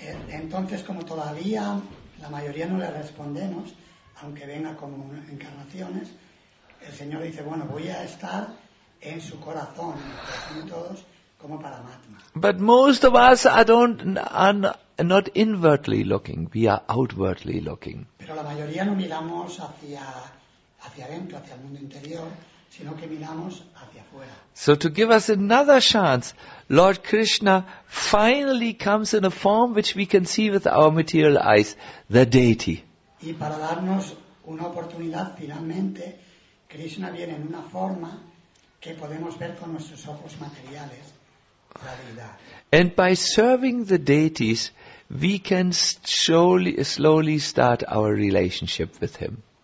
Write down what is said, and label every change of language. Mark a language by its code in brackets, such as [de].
[es] Entonces, como todavía la mayoría no le respondemos, aunque venga como encarnaciones, el Señor dice, bueno, voy a estar en su corazón, en todos, como Paramatma. [en] But most of us are not inwardly looking, we are outwardly looking. [es] Pero la mayoría no miramos hacia adentro, hacia el mundo interior, sino que miramos hacia afuera. [en] So to give us another chance, Lord Krishna finally comes in a form which we can see with our material eyes, the deity. [es] Y para darnos una oportunidad, finalmente, Krishna viene en una forma que podemos ver con nuestros ojos materiales, la deidad. [en] And by serving the deities, we can slowly start our relationship with him.